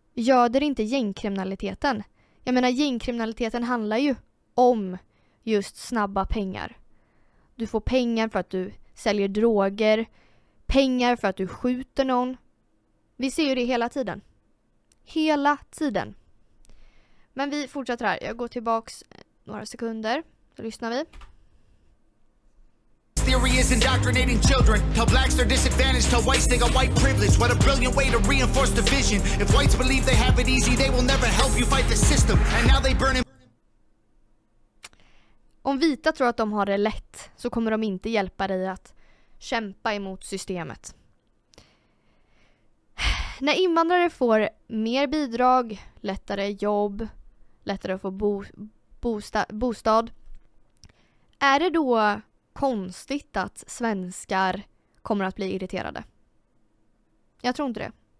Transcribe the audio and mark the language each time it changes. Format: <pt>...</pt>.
<sv>Göder inte gängkriminaliteten. Jag menar, gängkriminaliteten handlar ju om just snabba pengar. Du får pengar för att du säljer droger. Pengar för att du skjuter någon. Vi ser ju det hela tiden. Hela tiden. Men vi fortsätter här. Jag går tillbaks några sekunder. Då lyssnar vi.</sv> <en>Theory is indoctrinating children. Tell blacks they're disadvantaged. Tell whites they got white privilege. What a brilliant way to reinforce division. If whites believe they have it easy, they will never help you fight the system. And now they burn in...</en> <sv>Om vita tror att de har det lätt så kommer de inte hjälpa dig att kämpa emot systemet. När invandrare får mer bidrag, lättare jobb, lättare att få bostad, är det då konstigt att svenskar kommer att bli irriterade? Jag tror inte det.</sv>